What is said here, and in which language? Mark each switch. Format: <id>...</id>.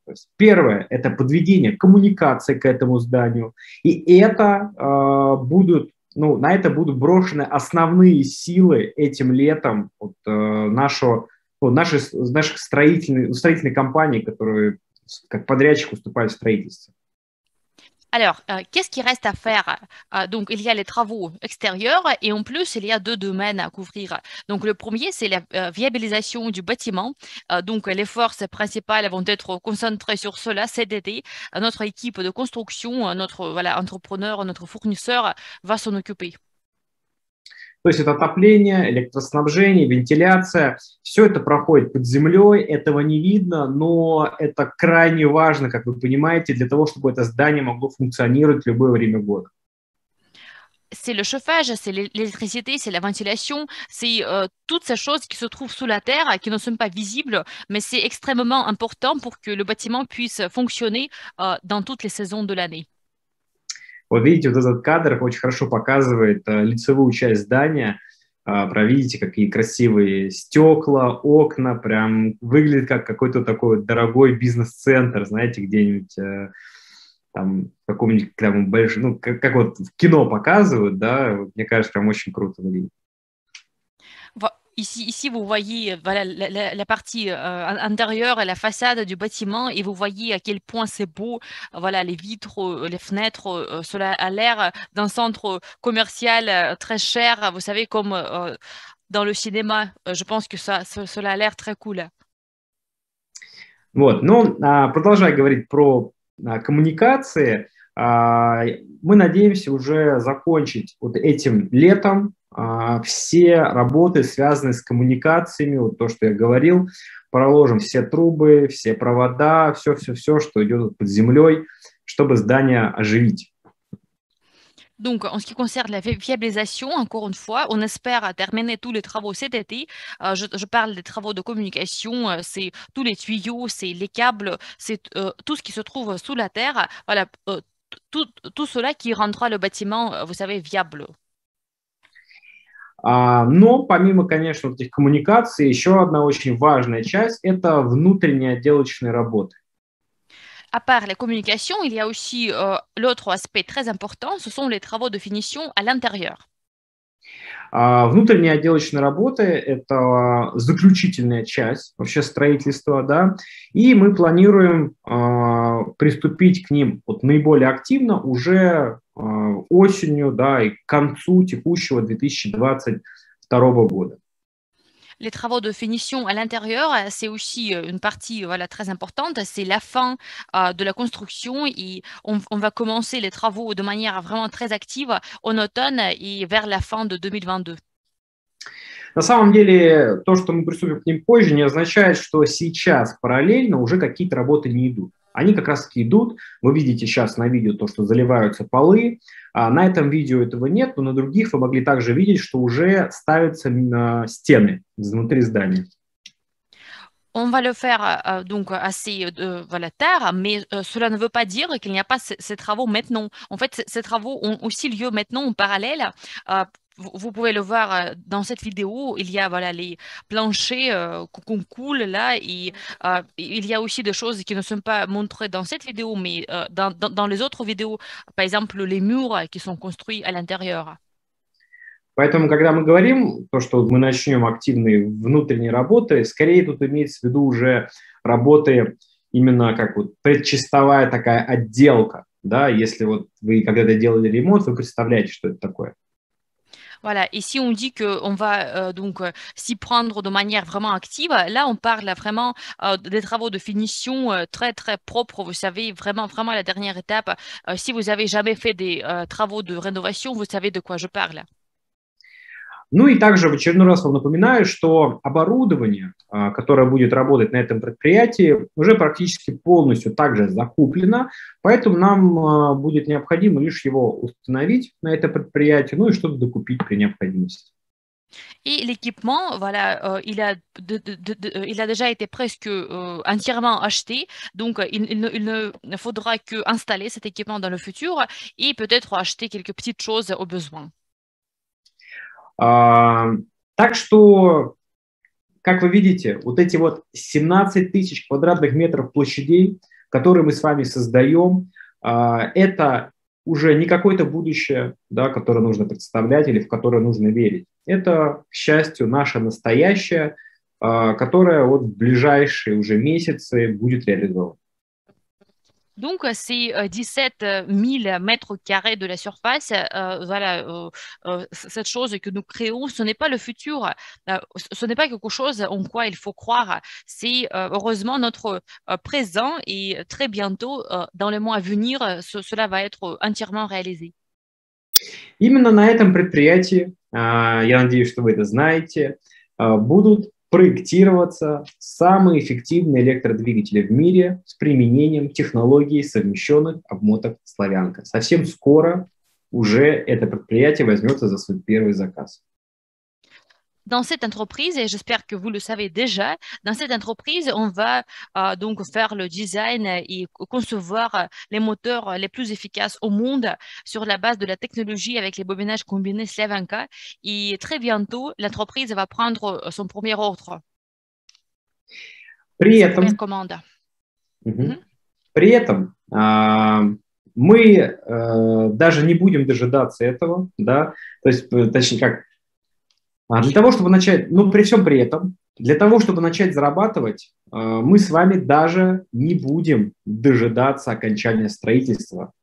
<ru>То есть первое – это подведение коммуникации к этому зданию, и это будут, ну, на это будут брошены основные силы этим летом вот, наших строительной компании, которые как подрядчик уступают в строительстве.</ru> <fr>Alors, qu'est-ce qui reste à faire? Donc, il y a les travaux extérieurs et en plus, il y a deux domaines à couvrir. Donc, le premier, c'est la viabilisation du bâtiment. Donc, les forces principales vont être concentrées sur cela cet été. Notre équipe de construction, notre voilà, entrepreneur, notre fournisseur va s'en occuper.</fr> <ru>То есть это отопление, электроснабжение, вентиляция, все это проходит под землей, этого не видно, но это крайне важно, как вы понимаете, для того, чтобы это здание могло функционировать в любое время года.</ru> <fr>C'est le chauffage, c'est l'électricité, c'est la ventilation, c'est toutes ces choses qui se trouvent sous la terre, qui ne sont pas visibles, mais c'est extrêmement important pour que le bâtiment puisse fonctionner dans toutes les saisons de l'année.</fr> <ru>Вот видите, вот этот кадр очень хорошо показывает лицевую часть здания. Видите, какие красивые стекла, окна, прям выглядит как какой-то такой дорогой бизнес-центр, знаете, где-нибудь там каком-нибудь там большом, ну, как вот в кино показывают, да, мне кажется, прям очень круто выглядит.</ru> <fr>Ici, vous voyez voilà, la partie intérieure, la façade du bâtiment, et vous voyez à quel point c'est beau. Voilà, les vitres, les fenêtres, cela a l'air d'un centre commercial très cher, vous savez, comme dans le cinéma. Je pense que cela a l'air très cool.</fr> <ru>Вот, ну, продолжая говорить про коммуникации, мы надеемся уже закончить вот этим летом все работы, связанные с коммуникациями, вот то, что я говорил, проложим все трубы, все провода, все-все-все, что идет под землей, чтобы здание оживить.</ru> <fr>Donc, en ce qui concerne la viabilisation, encore une fois, on espère terminer tous les travaux cet été. Je parle des travaux de communication, c'est tous les tuyaux, c'est les câbles, c'est tout ce qui se trouve sous la terre. Voilà, tout cela qui rendra le bâtiment, vous savez, viable.</fr> <ru>Но помимо, конечно, этих коммуникаций, еще одна очень важная часть – это внутренние отделочные работы.</ru> <fr>À part les communications, il y a aussi l'autre aspect très important, ce sont les travaux de finition à l'intérieur.</fr> <ru>Внутренние отделочные работы – это заключительная часть вообще строительства, да, и мы планируем приступить к ним вот наиболее активно уже осенью, да, и к концу текущего 2022 года.</ru> <fr>Les travaux de finition à l'intérieur, c'est aussi une partie voilà, très importante. C'est la fin de la construction et on va commencer les travaux de manière vraiment très active en automne et vers la fin de 2022.</fr> <ru>На самом деле, то, что мы приступим к ним позже, не означает, что сейчас параллельно уже какие-то работы не идут. Они как раз таки идут. Вы видите сейчас на видео то, что заливаются полы. На этом видео этого нет, но на других вы могли также видеть, что уже ставятся стены внутри здания.</ru> <fr>On va le faire donc assez voilà, tard, mais cela ne veut pas dire qu'il n'y a pas ces travaux maintenant. En fait, ces travaux ont aussi lieu maintenant en parallèle. Vous pouvez le voir dans cette vidéo, il y a voilà, les planchers qu'on coule là, et il y a aussi des choses qui ne sont pas montrées dans cette vidéo, mais dans les autres vidéos, par exemple les murs qui sont construits à l'intérieur.</fr> <ru>Поэтому, когда мы говорим, то, что мы начнем активные внутренние работы, скорее тут имеется в виду уже работы именно как вот предчистовая такая отделка. Да, если вот вы когда-то делали ремонт, вы представляете, что это такое.</ru> <fr>Voilà, et si on dit qu'on va donc s'y prendre de manière vraiment active, là on parle vraiment des travaux de finition très très propres, vous savez, vraiment vraiment la dernière étape. Si vous avez jamais fait des travaux de rénovation, vous savez de quoi je parle.</fr> <ru>Ну и также в очередной раз вам напоминаю, что оборудование, которое будет работать на этом предприятии, уже практически полностью также закуплено, поэтому нам будет необходимо лишь его установить на это предприятие, ну и что-то докупить при необходимости. И</ru> <fr>l'équipement, voilà, il a déjà été presque entièrement acheté, donc il ne faudra que installer cet équipement dans le futur</fr> <ru>и</ru> <fr>peut-être acheter quelques petites choses au besoin.</fr> <ru>Так что, как вы видите, вот эти вот 17 тысяч квадратных метров площадей, которые мы с вами создаем, это уже не какое-то будущее, да, которое нужно представлять или в которое нужно верить. Это, к счастью, наше настоящее, которое вот в ближайшие уже месяцы будет реализовано.</ru> <fr>Donc, ces 17 000 mètres carrés de la surface, voilà, cette chose que nous créons, ce n'est pas le futur, ce n'est pas quelque chose en quoi il faut croire. C'est heureusement notre présent et très bientôt, dans les mois à venir, cela va être entièrement réalisé.</fr> <ru>Именно на этом предприятии, я надеюсь, что вы это знаете, будут проектироваться самые эффективные электродвигатели в мире с применением технологий совмещенных обмоток «Славянка». Совсем скоро уже это предприятие возьмется за свой первый заказ.</ru> <fr>Dans cette entreprise, et j'espère que vous le savez déjà, dans cette entreprise, on va donc faire le design et concevoir les moteurs les plus efficaces au monde sur la base de la technologie avec les bobinages combinés Slavenka. Et très bientôt, l'entreprise va prendre son premier ordre.</fr> <ru>При этом,</ru> <fr>première commande.</fr> <ru>При этом, мы даже не будем дожидаться этого, да? То есть, точнее, как... Для того, чтобы начать, ну, при всем при этом, для того, чтобы начать зарабатывать, мы с вами даже не будем дожидаться окончания строительства.</ru>